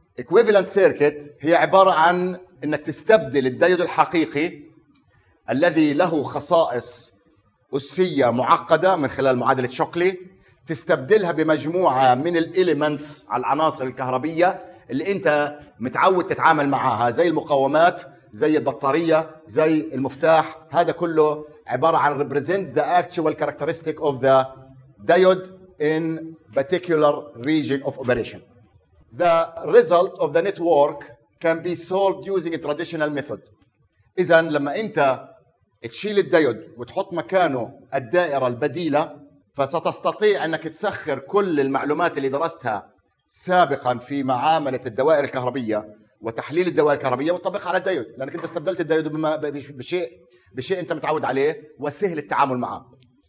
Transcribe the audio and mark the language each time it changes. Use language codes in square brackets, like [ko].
[ar] إكويفالنت سيركت هي عبارة عن أنك تستبدل الدايود الحقيقي الذي له خصائص أسية معقدة من خلال معادلة شوكلي، تستبدلها بمجموعة من الإليمنتس على العناصر الكهربية اللي أنت متعود تتعامل معها، زي المقاومات، زي البطارية، زي المفتاح. هذا كله عبارة عن [en] represent the actual characteristic of the diode in particular region of operation. The result of the network can be solved using a traditional method. [ar] إذا لما أنت تشيل الديود وتحط مكانه الدائرة البديلة، فستستطيع أنك تسخر كل المعلومات اللي درستها سابقا في معاملة الدوائر الكهربية وتحليل الدوائر الكهربية وتطبقها على الديود، لأنك أنت استبدلت الديود بشيء أنت متعود عليه وسهل التعامل معه.